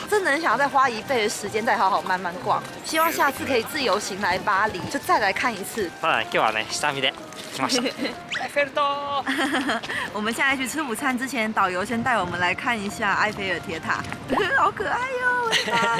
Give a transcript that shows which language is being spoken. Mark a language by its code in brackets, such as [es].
[zh] 真的很想要再花一倍的时间再好好慢慢逛。希望下次可以自由行来巴黎，就再来看一次。 [ja] ただ今日はね下見で来ました。 [zh] 埃菲尔塔。我们现在去吃午餐之前，导游先带我们来看一下埃菲尔铁塔，好可爱哟！